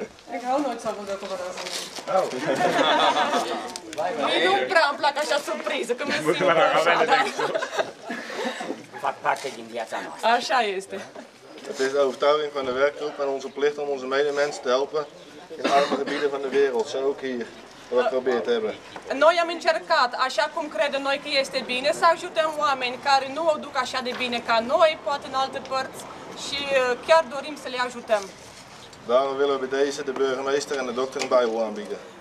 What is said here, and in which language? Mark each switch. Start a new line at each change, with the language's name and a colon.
Dutch: Ik hou nooit van dat op een raam. Oh.
Romanian: Nu prea îmi plac așa surprize, că mi-e simplu așa, da? Fac parte din viața noastră. Așa este.
Dutch: Het is de overtuiging van de werkgroep en onze plicht om onze medemens te helpen in arme gebieden van de wereld, zo ook hier, wat we geprobeerd hebben.
Romanian: Noi am încercat, așa cum credem noi că este bine, să ajutăm oameni care nu o duc așa de bine ca noi, poate în alte părți, și chiar dorim să le ajutăm.
Dutch: Daarom willen we bij deze de burgemeester en de dokter een bijbel aanbieden.